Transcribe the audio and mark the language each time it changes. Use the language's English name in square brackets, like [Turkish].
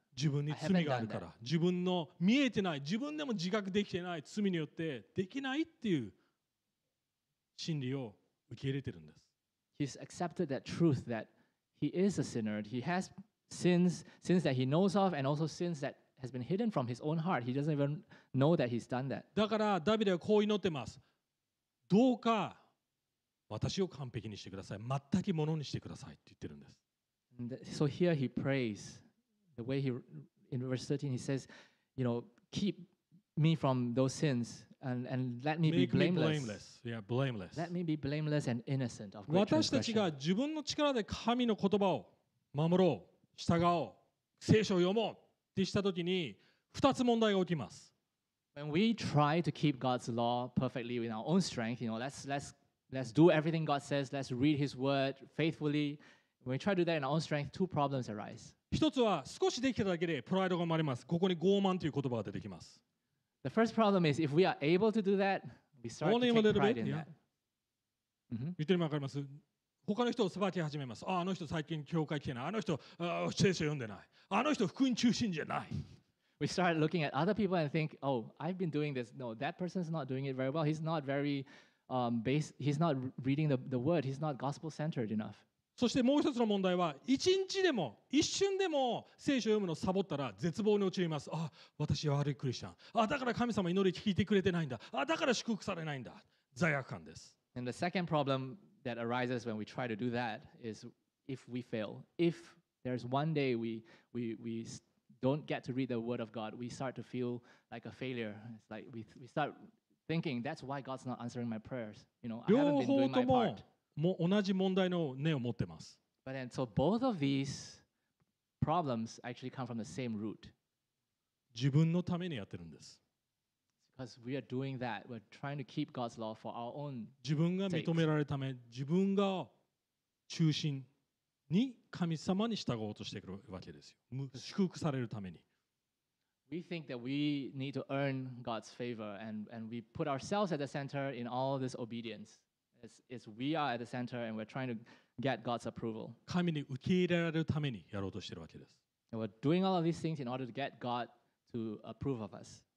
[Japanese] 自分に罪があるから、自分の見えてない、自分でも自覚できてない罪によってできないっていう真理を受け入れてるんです。 [English] He's accepted that truth that he is a sinner. He has sins that he knows of and also sins that has been hidden from his own heart. He doesn't even know that he's done that. [Japanese] だからダビデはこう祈ってます。どうか私を完璧にしてください。全くものにしてくださいって言ってるんです。 [English] So here he prays. The way he, in verse 13, he says, you know, keep me from those sins and let me be blameless. Yeah, blameless. Let me be blameless and innocent of great transgression. [Japanese] 私たちが自分の力で神の言葉を守ろう、従おう、聖書を読もうってしたときに2つ問題が起きます。 [English] When we try to keep God's law perfectly with our own strength, you know, let's do everything God says, let's read His word faithfully. When we try to do that in our own strength, two problems arise. [Japanese] 一つは少しできただけでプライドが生まれます。ここに傲慢という言葉が出てきます。 [English] The first problem is if we are able to do that, we start only to take pride bit, in、 yeah. that. [Japanese] Mm-hmm. 言ってるのわかります。他の人を裁き始めます。あの人最近教会来てない。あの人聖書読んでない。あの人福音中心じゃない。 [English] We start looking at other people and think, oh, I've been doing this. No, that person's not doing it very well. He's not very base. He's not reading the word. He's not gospel centered enough. [Japanese] そしてもう一つの問題は、一日でも一瞬でも聖書読むのをサボったら絶望に陥ります。あ、私は悪いクリスチャン。あ、だから神様祈り聞いてくれてないんだ。あ、だから祝福されないんだ。罪悪感です。 [English] And the second problem that arises when we try to do that is if we fail. If there's one day we don't get to read the word of God, we start to feel like a failure. It's like we start thinking, that's why God's not answering my prayers. You know, I haven't been doing my part. [Japanese] 同じ問題の根を持ってます。 [English] But then, so both of these problems actually come from the same root. [Japanese] 自分のためにやってるんです。 [English] Because we are doing that, we're trying to keep God's law for our own sake. [Japanese] 自分が認められるため、自分が中心に神様に従おうとしてくるわけですよ。祝福されるために。 [English] We think that we need to earn God's favor, and we put ourselves at the center in all this obedience. It's we are at the center, and we're trying to get God's approval. [Japanese] 神に受け入れられるためにやろうとしてるわけです。 [English] And we're doing all of these things in order to get God to approve of us.